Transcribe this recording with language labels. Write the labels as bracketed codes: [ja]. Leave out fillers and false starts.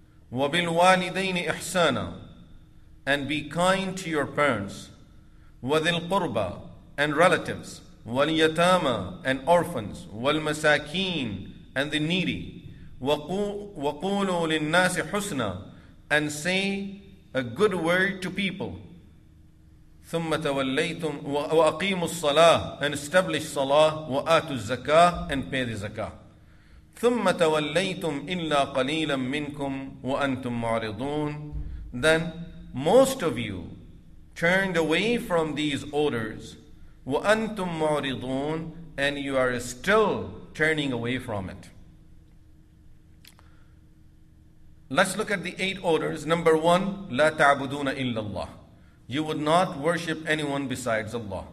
[en] وبالوالدين إحسانا, and be kind to your parents. وذي القربى, and relatives. واليتامى, and orphans. والمساكين, and the needy. وقولوا للناس حسنا, and say a good word to people. ثم توليتم وأقيموا الصلاة, and establish صلاة, وآتوا الزكاة, and pay the زكاة. [ar] ثم توليتم إلا قليلا منكم وأنتم معرضون. [en] Then most of you turned away from these orders. وَأَنْتُمْ مُعْرِضُونَ, and you are still turning away from it. Let's look at the 8 orders. Number 1, لَا تَعْبُدُونَ إِلَّا اللَّهِ, you would not worship anyone besides Allah.